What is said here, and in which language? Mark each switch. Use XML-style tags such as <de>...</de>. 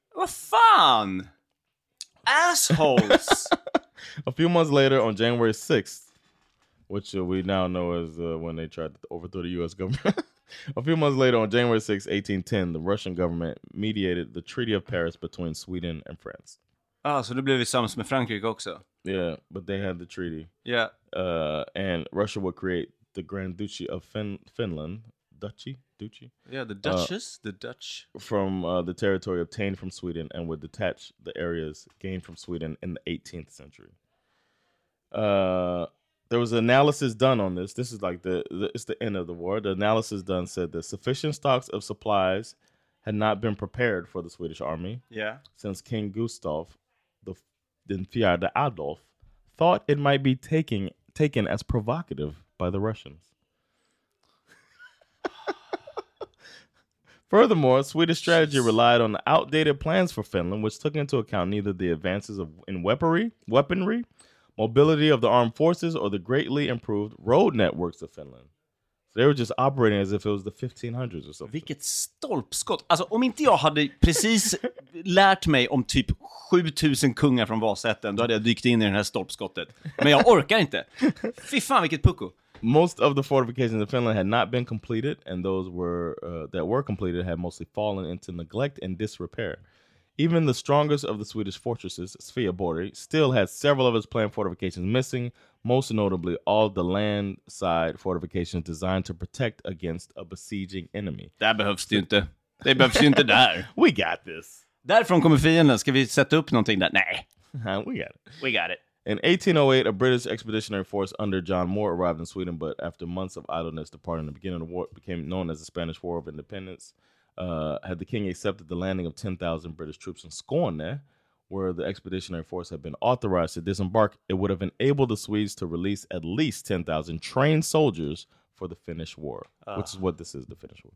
<en>What fun! Assholes! A few months later, on January 6th, which we now know is when they tried to overthrow the U.S. government. A few months later, on January 6th, 1810, the Russian government mediated the Treaty of Paris between Sweden and France.</en> <sv>Ah, so det blev vi sams med Frankrike också.</sv> <en>Yeah, but they had the treaty. Yeah. And Russia would create the Grand Duchy of Finland. Duchy? Duchy? Yeah, the Duchess? The Dutch? From the territory obtained from Sweden and would detach the areas gained from Sweden in the 18th century. There was an analysis done on this. This is like it's the end of the war. The analysis done said that sufficient stocks of supplies had not been prepared for the Swedish army. Yeah. Since King Gustav, den fjärde Adolf, thought it might be taken as provocative by the Russians. Furthermore, Swedish strategy relied on outdated plans for Finland, which took into account neither the advances in weaponry, mobility of the armed forces, or the greatly improved road networks of Finland. So they were just operating as if it was the 1500s or something.</en> <sv>Vilket stolpskott. Alltså, om inte jag hade precis lärt mig om typ 7000 kungar från Vasätten, då hade jag dykt in i det här stolpskottet. Men jag orkar inte. Fy fan, vilket pucko.</sv> <en>Most of the fortifications in Finland had not been completed, and those that were completed had mostly fallen into neglect and disrepair. Even the strongest of the Swedish fortresses, Sveaborg, still had several of its planned fortifications missing, most notably all the land-side fortifications designed to protect against a besieging enemy.</en> <sv>Det behövs ju inte. Det behövs ju inte där.</sv> <en>We got this.</en> <sv>Därifrån kommer fienden. Ska vi sätta upp någonting där? Nej.</sv> <en>We got it. We got it. In 1808, a British expeditionary force under John Moore arrived in Sweden, but after months of idleness departing, the beginning of the war became known as the Spanish War of Independence. Had the king accepted the landing of 10,000 British troops in Skåne, where the expeditionary force had been authorized to disembark, it would have enabled the Swedes to release at least 10,000 trained soldiers for the Finnish War, which is what this is, the Finnish War.</en>